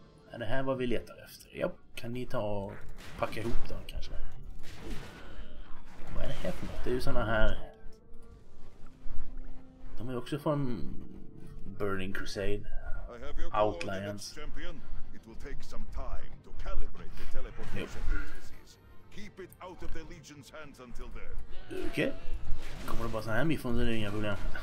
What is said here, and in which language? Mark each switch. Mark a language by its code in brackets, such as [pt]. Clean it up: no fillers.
[sv] Är det här vad vi letar efter? Ja, kan ni ta och packa ihop då kanske? Vad är det här för något? Det är ju såna här... De är också från Burning Crusade. [en] I have your Outlines. Champion. It will take some time to calibrate the teleportation processes. Keep it out of the Legion's hands until then. [sv] Okej. Kommer det bara så här mifrån så är det inga problem.